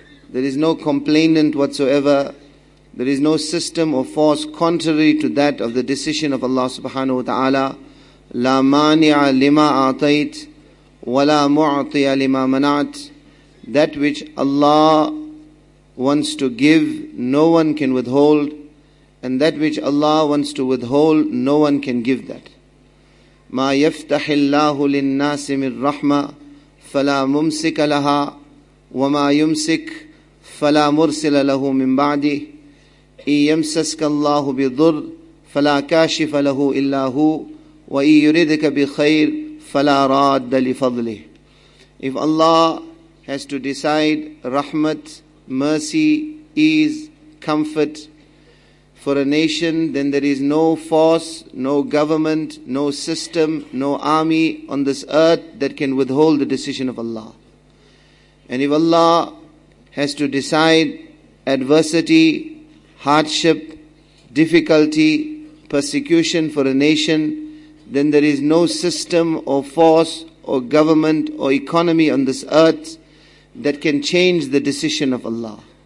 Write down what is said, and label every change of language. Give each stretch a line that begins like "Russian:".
English: There is no complainant whatsoever. There is no system or force contrary to that of the decision of Allah subhanahu wa ta'ala.
Arabic: لا مانع لما أعطيت ولا معطي لما منعت
English: That which Allah wants to give, no one can withhold, and that which Allah wants to withhold, no one can give that.
Arabic: مَا يَفْتَحِ اللَّهُ لِلنَّاسِ مِنْ رَحْمَةِ فَلَا مُمْسِكَ لَهَا وَمَا يُمْسِكْ فَلَا مُرْسِلَ لَهُ مِنْ بَعْدِهِ إِنْ يَمْسَسْكَ اللَّهُ بِضُرٍّ فَلَا كَاشِفَ لَهُ إِلَّا هُوَ وَإِنْ يُرِدْكَ بِخَيْرٍ فَلَا رَادَّ لِفَضْلِهِ
English: If Allah has to decide rahmat, mercy, ease, comfort for a nation, then there is no force, no government, no system, no army on this earth that can withhold the decision of Allah. And if Allah has to decide adversity, hardship, difficulty, persecution for a nation, then there is no system or force or government or economy on this earth that can change the decision of Allah.